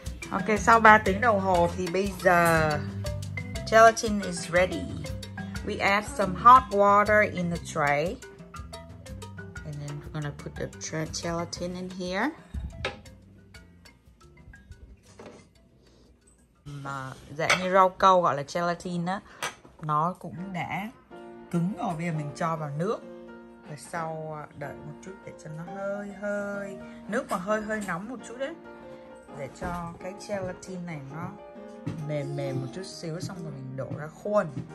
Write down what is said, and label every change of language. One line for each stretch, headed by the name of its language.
Vietnamese: Okay, sau 3 tiếng đồng hồ thì bây giờ
English: gelatin is ready. We add some hot water in the tray. And then we're gonna put the gelatin in here.
Vietnamese: Mà dạng như rau câu gọi là gelatin á, nó cũng đã cứng rồi, bây giờ mình cho vào nước. Và sau đợi một chút để cho nó hơi nước mà hơi nóng một chút đấy, để cho cái gelatin này nó mềm một chút xíu, xong rồi mình đổ ra khuôn.